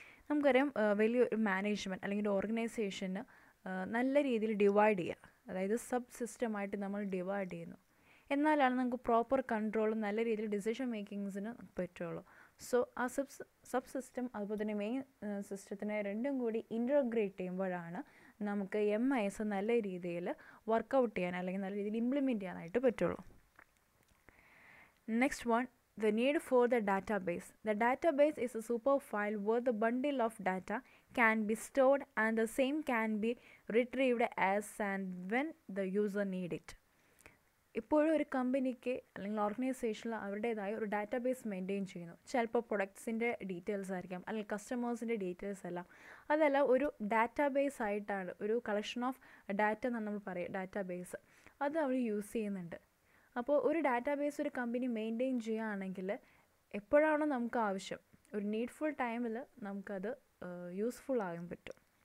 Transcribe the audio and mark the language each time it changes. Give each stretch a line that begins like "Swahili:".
Malayalam: നമുക്കറിയാം വലിയൊരു മാനേജ്മെൻറ്റ് അല്ലെങ്കിൽ ഓർഗനൈസേഷന് നല്ല രീതിയിൽ ഡിവൈഡ് ചെയ്യുക, അതായത് സബ് സിസ്റ്റമായിട്ട് നമ്മൾ ഡിവൈഡ് ചെയ്യുന്നു, എന്നാലാണ് നമുക്ക് പ്രോപ്പർ കൺട്രോളും നല്ല രീതിയിൽ ഡിസിഷൻ മേക്കിങ്സിന് പറ്റുള്ളൂ. സോ ആ സബ് സിസ്റ്റം അതുപോലെ തന്നെ മെയിൻ സിസ്റ്റത്തിനെ രണ്ടും കൂടി ഇൻറ്റഗ്രേറ്റ് ചെയ്യുമ്പോഴാണ് നമുക്ക് MIS നല്ല രീതിയിൽ വർക്കൗട്ട് ചെയ്യാൻ അല്ലെങ്കിൽ നല്ല രീതിയിൽ ഇംപ്ലിമെൻറ്റ് ചെയ്യാനായിട്ട് പറ്റുള്ളൂ.
English: Next one, the need for the database. The database is a super file where the bundle of data can be stored and the same can be retrieved as and when the user need it.
Malayalam: ഇപ്പോഴും ഒരു കമ്പനിക്ക് അല്ലെങ്കിൽ ഓർഗനൈസേഷനിൽ അവരുടേതായ ഒരു database maintain ചെയ്യുന്നു. ചിലപ്പോൾ പ്രൊഡക്ട്സിൻ്റെ details ആയിരിക്കാം അല്ലെങ്കിൽ കസ്റ്റമേഴ്സിൻ്റെ ഡീറ്റെയിൽസ് എല്ലാം, അതെല്ലാം ഒരു ഡാറ്റാബേസ് ആയിട്ടാണ്, ഒരു കളക്ഷൻ ഓഫ് ഡാറ്റ എന്നാണ് നമ്മൾ പറയുക, ഡാറ്റാബേസ്. അത് അവർ യൂസ് ചെയ്യുന്നുണ്ട്. അപ്പോൾ ഒരു ഡാറ്റാബേസ് ഒരു കമ്പനി മെയിൻറ്റെയിൻ ചെയ്യുകയാണെങ്കിൽ എപ്പോഴാണോ നമുക്ക് ആവശ്യം, ഒരു നീഡ്ഫുൾ ടൈമിൽ നമുക്കത് യൂസ്ഫുൾ ആകാൻ പറ്റും.